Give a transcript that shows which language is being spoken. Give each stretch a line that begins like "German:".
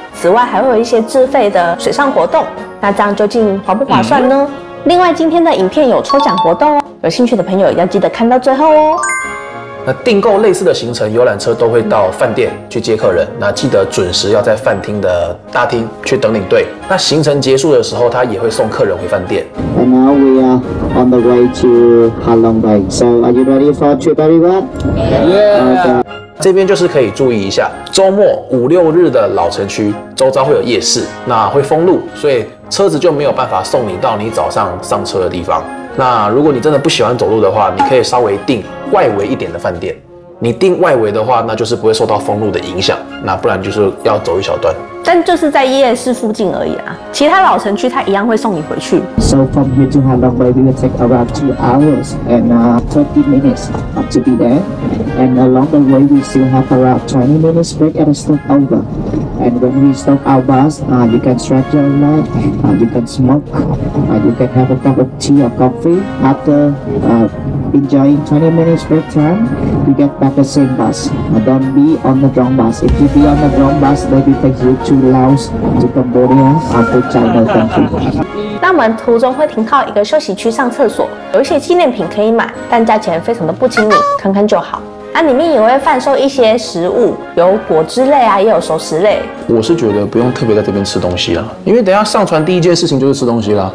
Chinese: 此外还会有一些自费的水上活动。那这样究竟划不划算呢？另外今天的影片有抽奖活动哦，有兴趣的朋友要记得看到最后哦。那订购类似的行程，游览车都会到饭店去接客人，那记得准时要在饭厅的大厅去等领队。那行程结束的时候，他也会送客人回饭店。
English: And now we are on the way to Ha Long Bay. So are you ready for trip everyone? Yeah. Okay.
Chinese: 这边就是可以注意一下，周末五六日的老城区周遭会有夜市，那会封路，所以车子就没有办法送你到你早上上车的地方。那如果你真的不喜欢走路的话，你可以稍微订外围一点的饭店。你订外围的话，那就是不会受到封路的影响，那不然就是要走一小段。但就是在夜市附近而已啦，其他老城区他一样会送你回去。
English: So from here to Ha Long Bay, we will take around 2 hours and 30 minutes to be there. And along the way, we still have around 20 minutes break at a stopover. And when we stop our bus, you can stretch your leg, you can smoke, you can have a cup of tea or coffee. After enjoying 20 minutes break time, you get back the same bus. Don't be on the wrong bus. If you be on the wrong bus, they will take you. To Laos, to Cambodia, and to China country.
Chinese: 那我们途中会停靠一个休息区上厕所，有一些纪念品可以买，但价钱非常的不亲民，看看就好。那里面也会贩售一些食物，有果汁类啊，也有熟食类。我是觉得不用特别在这边吃东西啦，因为等一下上船第一件事情就是吃东西啦。